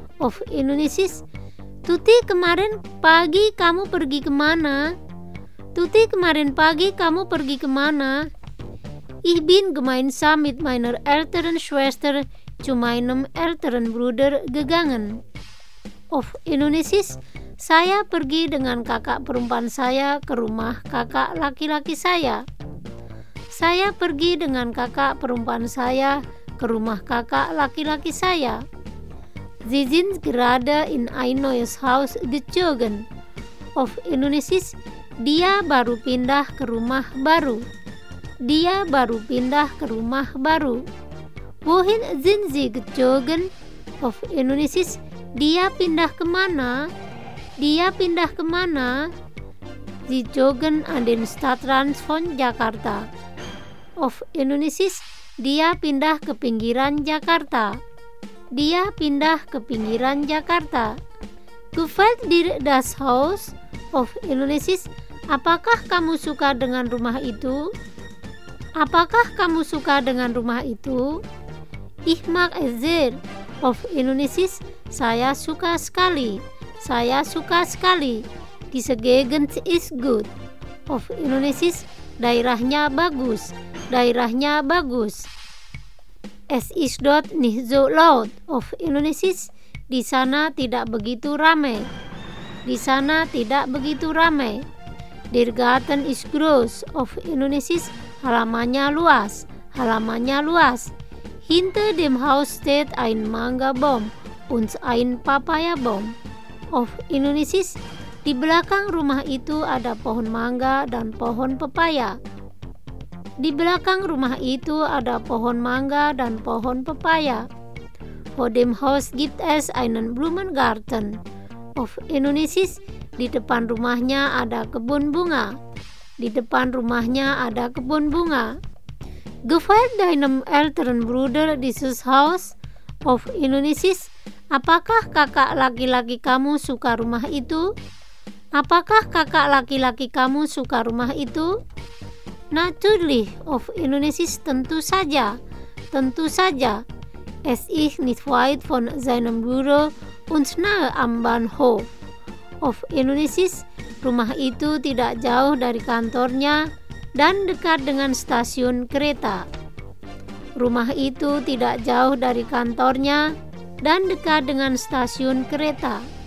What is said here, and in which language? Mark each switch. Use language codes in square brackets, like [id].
[de] Auf Indonesisch. [id] Tuti, kemarin pagi kamu pergi kemana? Tuti, kemarin pagi kamu pergi kemana? [de] Ich bin gemeinsam mit meiner älteren Schwester zu meinem älteren Bruder gegangen. Auf Indonesisch. [id] Saya pergi dengan kakak perempuan saya ke rumah kakak laki-laki saya. Saya pergi dengan kakak perempuan saya ke rumah kakak laki-laki saya. [de] Sie sind gerade in ein neues Haus gezogen. Of Indonesisch, [id] dia baru pindah ke rumah baru. Dia baru pindah ke rumah baru. [de] Wohin sind sie gezogen? Of Indonesisch, [id] dia pindah ke mana? Dia pindah ke mana? [de] Sie zogen an den Stadtrand von Jakarta. Of Indonesisch, [id] dia pindah ke pinggiran Jakarta. Dia pindah ke pinggiran Jakarta. [de] Gefällt dir das Haus? Of Indonesisch, [id] apakah kamu suka dengan rumah itu? Apakah kamu suka dengan rumah itu? [de] Ich mag es sehr. Of Indonesisch, [id] saya suka sekali. Saya suka sekali. [de] Diese Gegend ist gut. Of Indonesisch, [id] daerahnya bagus. Daerahnya bagus. [de] Es ist dort nicht so laut. Of Indonesisch, [id] di sana tidak begitu ramai. Di sana tidak begitu ramai. [de] Der Garten ist groß. Of Indonesisch, [id] halamannya luas. Halamannya luas. [de] Hinter dem Haus steht ein Mangabaum und ein Papayabaum. Of Indonesisch, [id] di belakang rumah itu ada pohon mangga dan pohon pepaya. Di belakang rumah itu ada pohon mangga dan pohon pepaya. [de] Vor dem Haus gibt es einen Blumengarten. Of Indonesisch, [id] di depan rumahnya ada kebun bunga. Di depan rumahnya ada kebun bunga. [de] Gefällt deinem älteren Bruder dieses Haus? Of Indonesisch, [id] apakah kakak laki-laki kamu suka rumah itu? Apakah kakak laki-laki kamu suka rumah itu? [de] Natürlich, of Indonesisch, [id] tentu saja. Tentu saja. [de] Es ist nicht weit von seinem Büro und nahe am Bahnhof. Of Indonesisch, [id] rumah itu tidak jauh dari kantornya dan dekat dengan stasiun kereta. Rumah itu tidak jauh dari kantornya dan dekat dengan stasiun kereta.